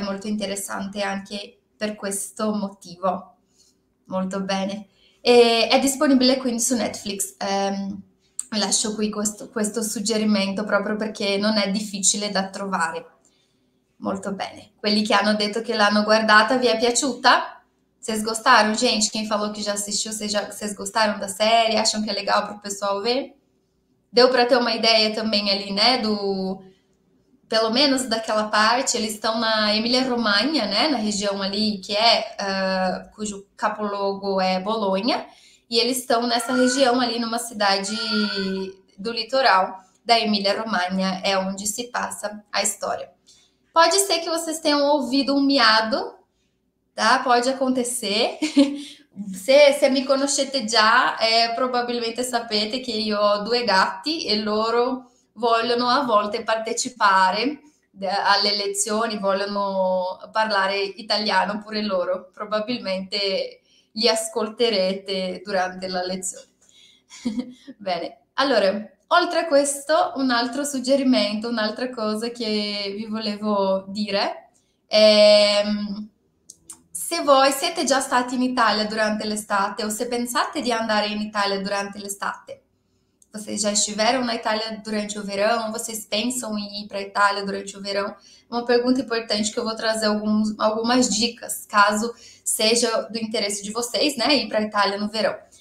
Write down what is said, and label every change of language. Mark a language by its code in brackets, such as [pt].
[it] È molto interessante anche per questo motivo. Molto bene. E è disponibile quindi su Netflix. Lascio qui questo suggerimento proprio perché non è difficile da trovare. Molto bene. Quelli che hanno detto che l'hanno guardata, vi è piaciuta? [pt] Vocês gostaram, gente? Quem falou que já assistiu, vocês gostaram da série? Acham que é legal para o pessoal ver? Deu para ter uma ideia também ali, né? Pelo menos daquela parte. Eles estão na Emília-Romagna, né? Na região ali que é cujo capoluogo é Bolonha. E eles estão nessa região ali, numa cidade do litoral da Emília-Romagna, é onde se passa a história. Pode ser que vocês tenham ouvido um miado. Tá, pode acontecer. [it] Se mi conoscete già, probabilmente sapete che io ho due gatti e loro vogliono a volte partecipare alle lezioni, vogliono parlare italiano pure loro. Probabilmente li ascolterete durante la lezione. Bene, allora, oltre a questo, un altro suggerimento, un'altra cosa che vi volevo dire è: se voi siete già stati in Italia durante l'estate o se pensate di andare in Italia durante l'estate, [pt] Vocês já estiveram na Itália durante o verão? Vocês pensam em ir para a Itália durante o verão? Uma pergunta importante que eu vou trazer algumas dicas, caso seja do interesse de vocês, né, ir para a Itália no verão.